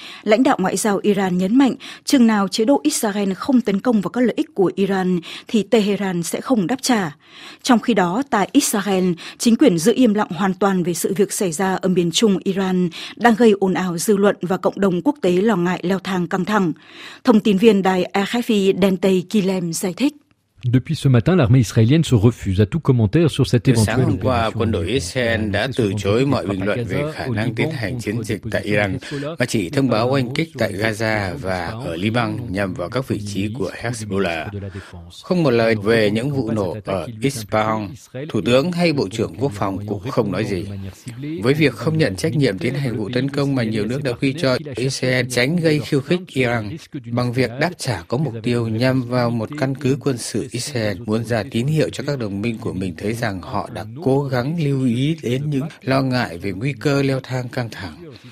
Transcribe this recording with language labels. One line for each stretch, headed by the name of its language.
Vietnamese: Lãnh đạo ngoại giao Iran nhấn mạnh, chừng nào chế độ Israel không tấn công vào các lợi ích của Iran thì Tehran sẽ không đáp trả. Trong khi đó, tại Israel, chính quyền giữ im lặng hoàn toàn về sự việc xảy ra ở miền trung Iran đang gây ồn ào dư luận và cộng đồng quốc tế lo ngại leo thang căng thẳng. Thông tin viên đài AFP Dante Kilem giải thích.
French: Depuis ce matin, l'armée israélienne se refuse à tout commentaire sur cette éventuelle opération.
Vietnamese: Thủ tướng hay Bộ trưởng Quốc phòng cũng không nói gì. Với việc không nhận trách nhiệm tiến hành vụ tấn công mà nhiều nước đã quy cho Israel tránh gây khiêu khích Iran bằng việc đáp trả có mục tiêu nhằm vào một căn cứ quân sự Israel muốn ra tín hiệu cho các đồng minh của mình thấy rằng họ đã cố gắng lưu ý đến những lo ngại về nguy cơ leo thang căng thẳng.